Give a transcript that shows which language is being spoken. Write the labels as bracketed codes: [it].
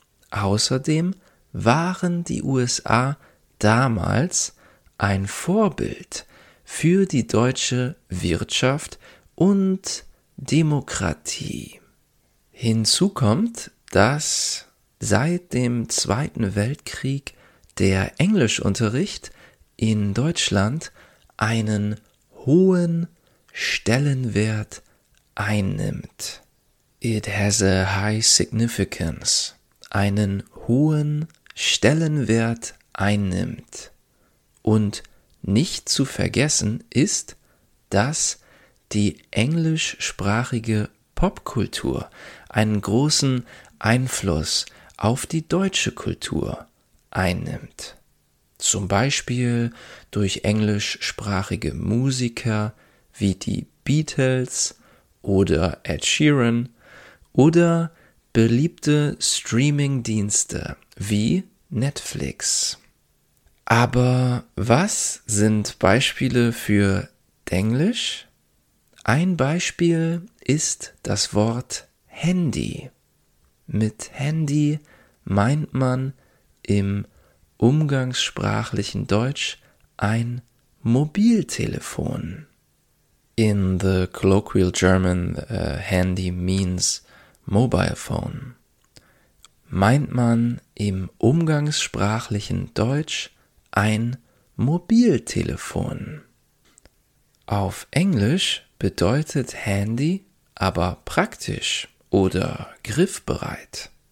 [de] Außerdem waren die USA damals ein Vorbild für die deutsche Wirtschaft und Demokratie. Hinzu kommt, dass seit dem Zweiten Weltkrieg der Englischunterricht in Deutschland einen hohen Stellenwert einnimmt. [en] It has a high significance. [de] Einen hohen Stellenwert einnimmt. Und nicht zu vergessen ist, dass die englischsprachige Popkultur einen großen Einfluss auf die deutsche Kultur einnimmt. Zum Beispiel durch englischsprachige Musiker wie die Beatles oder Ed Sheeran oder beliebte Streamingdienste wie Netflix. Aber was sind Beispiele für Denglisch? Ein Beispiel ist das Wort Handy. Mit Handy meint man im umgangssprachlichen Deutsch ein Mobiltelefon. [en] In the colloquial German, Handy means Mobile Phone. [de] Meint man im umgangssprachlichen Deutsch ein Mobiltelefon? Auf Englisch bedeutet Handy aber praktisch oder griffbereit.